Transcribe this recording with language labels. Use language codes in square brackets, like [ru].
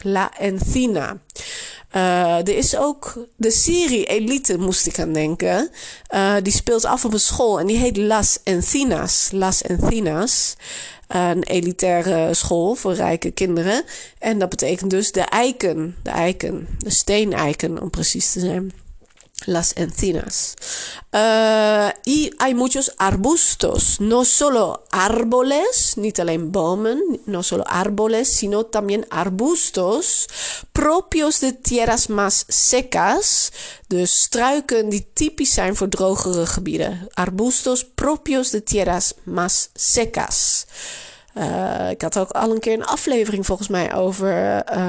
[es] La encina. [nl] Er is ook de serie Elite, moest ik aan denken. Die speelt af op een school en die heet Las Encinas. Las Encinas. Een elitaire school voor rijke kinderen. En dat betekent dus de eiken. De eiken. De steeneiken, om precies te zijn. [es] Las encinas. Y hay muchos arbustos, no solo árboles, ni también bomen, no solo árboles, sino también arbustos propios de tierras más secas, [nl] de struiken die typisch zijn voor drogere gebieden. [es] Arbustos propios de tierras más secas. [nl] Ik had ook al een keer een aflevering volgens mij over.